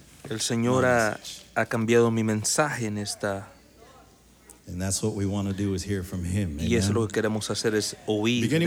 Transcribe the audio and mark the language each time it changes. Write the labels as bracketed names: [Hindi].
[Spanish] El Señor ha cambiado mi mensaje en esta. [English] And that's what we want to do is hear from him. [Spanish] Y eso es lo que queremos hacer es oír de él.